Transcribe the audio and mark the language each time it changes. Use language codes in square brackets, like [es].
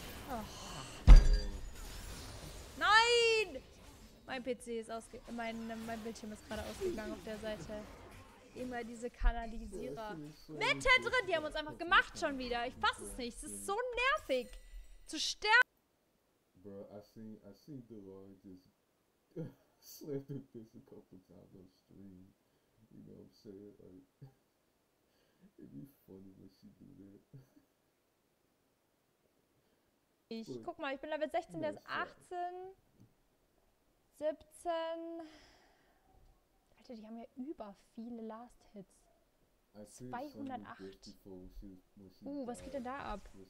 [de] Oh. Nein! Mein Bildschirm ist gerade ausgegangen auf der Seite. immer diese Kanalisierer. Mit hier drin, die haben uns einfach gemacht schon wieder. Ich fass es nicht. Es ist so nervig. Zu sterben. [en] Bro, I seen the Roy just slam the fist a couple times on stream. You know what I'm saying? Like, it'd be funny when she do that. [de] Ich guck mal, ich bin Level 16, der ist 18, 17. Alter, die haben ja über viele Last Hits. 208. Was geht denn da ab?